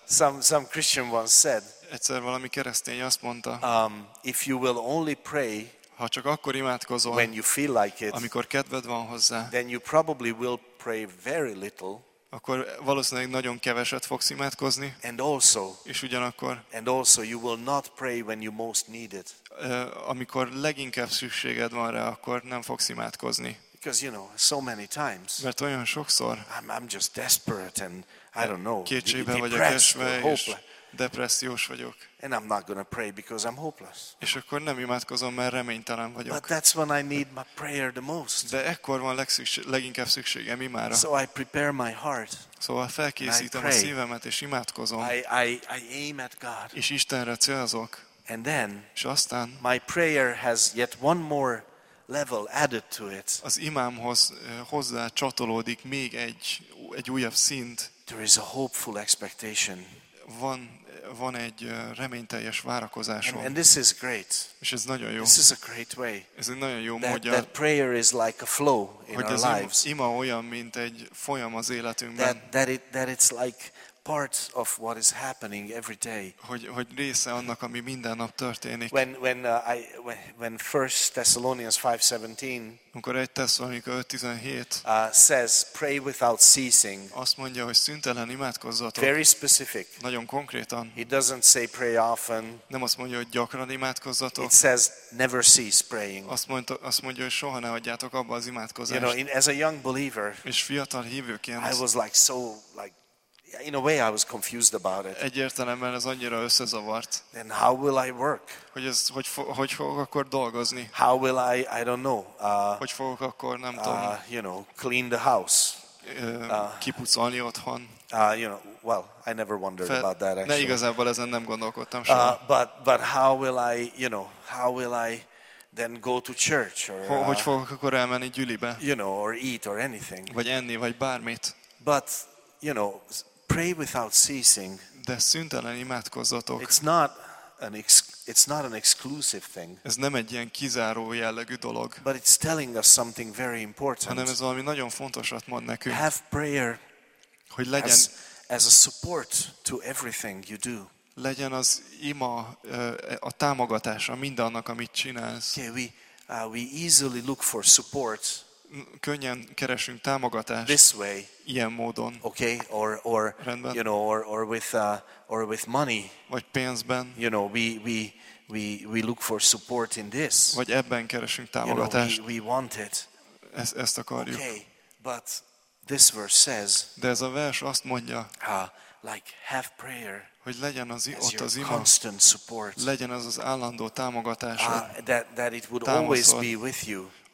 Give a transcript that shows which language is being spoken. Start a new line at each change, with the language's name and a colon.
English: Some Christian once said.
Hungarian: Egyszer valami keresztény azt mondta.
English: If you will only pray.
Hungarian: Ha csak akkor imádkozol.
English: When you feel like it.
Hungarian: Amikor kedved van hozzá.
English: Then you probably will pray very little.
Hungarian: akkor valószínűleg nagyon keveset fogsz imádkozni.
English: And also,
Hungarian: és ugyanakkor,
English: and also you will not pray when you most need it.
Hungarian: Amikor leginkább szükséged van rá, akkor nem fogsz imádkozni.
English: Because you know, so many times.
Hungarian: Mert olyan sokszor.
English: I'm just desperate and I don't know.
Hungarian: Kétségben vagyok esve, és depressziós vagyok.
English: And I'm not going to pray because I'm hopeless.
Hungarian: És akkor nem imádkozom, mert reménytelen vagyok.
English: But that's when I need my prayer the most.
Hungarian: De ekkor van leginkább szükségem imára.
English: So I prepare my heart.
Hungarian: Szóval felkészítem a szívemet és imádkozom.
English: I aim at God.
Hungarian: És Istenre célzok.
English: And then.
Hungarian: És aztán.
English: My prayer has yet one more level added to it.
Hungarian: Az imámhoz hozzá csatolódik még egy újabb szint.
English: There is a hopeful expectation.
Hungarian: Van egy reményteljes várakozásom.
English: And this is great.
Hungarian: És ez nagyon jó.
English: This is a great way.
Hungarian: Ez egy nagyon jó módja.
English: That prayer is like a flow in our lives.
Hungarian: Ima olyan, mint egy folyam az életünkben.
English: That it's like part of what is happening every day.
Hungarian: Hogy része annak, ami minden nap történik.
English: When 1 Thessalonians 5:17.
Hungarian: Amikor 1 Tesszalonika 5:17.
English: Says pray without ceasing.
Hungarian: Azt mondja, hogy szüntelen imádkozzatok.
English: Very specific.
Hungarian: Nagyon konkrétan.
English: He doesn't say pray often.
Hungarian: Nem azt mondja, hogy gyakran imádkozzatok.
English: It says never cease praying.
Hungarian: Azt mondja, hogy soha ne hagyjátok abba az imádkozást.
English: You know, as a young believer.
Hungarian: És fiatal hívőként.
English: I was like so like. In a way, I was confused about it.
Hungarian: Egyértelműen ez annyira összezavart.
English: Then how will I work?
Hungarian: Hogy fogok akkor dolgozni?
English: How will I don't know.
Hungarian: Hogy fogok akkor nem tudom.
English: You know, clean the house.
Hungarian: Kipucolni otthon.
English: You know, well, I never wondered about that actually.
Hungarian: Ne igazából ezen nem gondolkodtam soha.
English: But how will I, you know, how will I then go to church or?
Hungarian: Hogy fogok akkor elmenni gyülibe?
English: You know, or eat or anything.
Hungarian: Vagy enni vagy bármit.
English: But you know, pray without ceasing.
Hungarian: De szüntelen imádkozzatok.
English: It's not an exclusive thing.
Hungarian: Ez nem egy ilyen kizáró jellegű dolog.
English: But it's telling us something very important.
Hungarian: Hanem ez valami nagyon fontosat mond nekünk.
English: Have prayer.
Hungarian: Hogy legyen
English: as a support to everything you do.
Hungarian: Legyen az ima a támogatása mindannak, amit csinálsz.
English: Okay, we easily look for support.
Hungarian: Könnyen keresünk támogatást.
English: This way.
Hungarian: Ilyen módon.
English: Okay, or
Hungarian: rendben.
English: You know, or with money.
Hungarian: Vagy pénzben.
English: You know, we look for support in this.
Hungarian: Vagy ebben keresünk támogatást.
English: You know, we want it.
Hungarian: Ezt akarjuk.
English: Okay, but this verse says.
Hungarian: De ez a vers azt mondja.
English: Like have prayer.
Hungarian: Hogy legyen az ott az ima.
English: Constant support.
Hungarian: Legyen az állandó támogatás.
English: That it would always be with you.